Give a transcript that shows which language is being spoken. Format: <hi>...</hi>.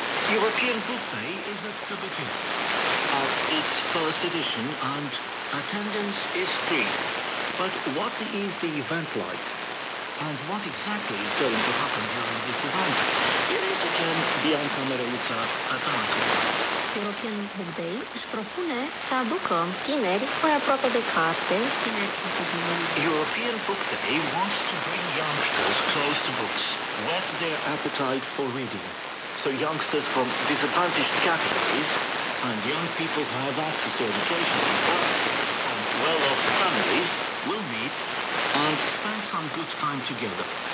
<en>European Book Day is at the beginning of its first edition, and attendance is free. But what is the event like? And what exactly is going to happen during this event? Here is again Bianca Mereuța at Arco.</en> <ro>European Book Day își propune să aducă tineri mai aproape de carte.</ro> <en>European Book Day wants to bring youngsters close to books, whet their appetite for reading, so youngsters from disadvantaged categories and young people who have access to education and books and well-off families will meet and spend some good time together.</en>